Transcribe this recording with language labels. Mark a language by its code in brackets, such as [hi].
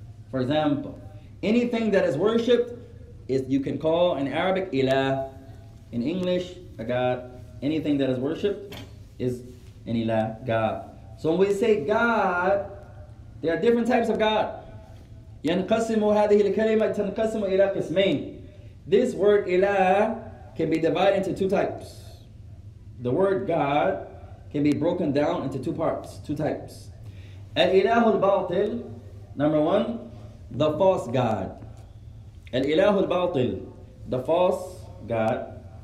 [en] For example, anything that is worshipped, is you can call in Arabic ilah, in English a god. Anything that is worshipped is an ilah, god. So when we say God, there are different types of God. [ar] ينقسم هذه الكلمة تنقسم إلى قسمين. [en] This word ilah can be divided into two types. The word God can be broken down into two parts, two types. [ar] الإله الباطل, [en] number one, the false god. [ar] Al-ilahu al-batil, [en] the false god.